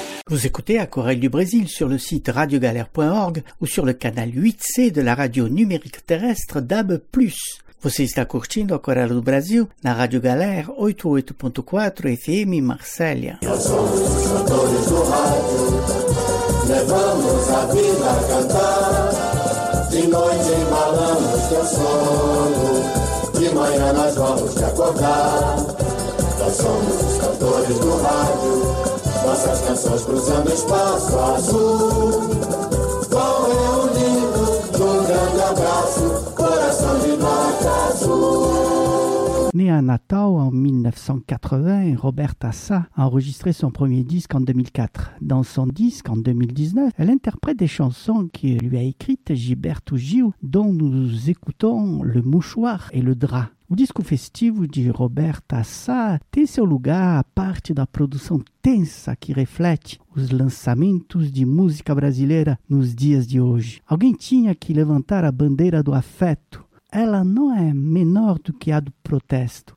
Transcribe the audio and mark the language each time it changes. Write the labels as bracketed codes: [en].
[fr] Vous écoutez Aquarelle du Brésil sur le site radiogalère.org ou sur le canal 8C de la radio numérique terrestre DAB+. [pt] Você está curtindo Aquarela do Brasil na Rádio Galera 88.4 FM Marcélia. Levamos a vida a cantar, de noite embalamos teu sono, de manhã nós vamos te acordar. Nós somos os cantores do rádio, nossas canções cruzando espaço azul. Vão reunindo num grande abraço, coração de nota azul. [fr] Né à Natal en 1980, Roberta Sá a enregistré son premier disque en 2004. Dans son disque en 2019, elle interprète des chansons que lui a écrites Gilberto Gil, dont nous écoutons Le Mouchoir et Le Drap. [pt] O disco festivo de Roberta Sá tem seu lugar à parte da produção tensa que reflete os lançamentos de música brasileira nos dias de hoje. Alguém tinha que levantar a bandeira do afeto. Ela não é menor do que a do protesto.